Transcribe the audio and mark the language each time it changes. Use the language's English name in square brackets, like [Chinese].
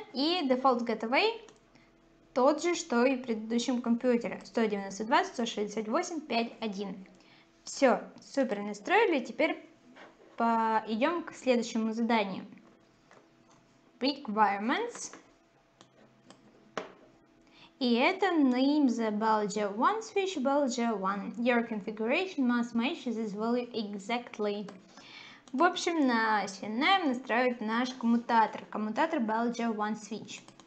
[Russian] И default gateway тот же, что и в предыдущем компьютере. 192.168.5.1. Все, супер настроили, теперь пойдем к следующему заданию. [English] Requirements. [Russian] И это [English] name the bulge 1, switch bulge 1. Your configuration must match this value exactly. [Russian] В общем, начинаем настраивать наш коммутатор. Коммутатор bulge 1, switch.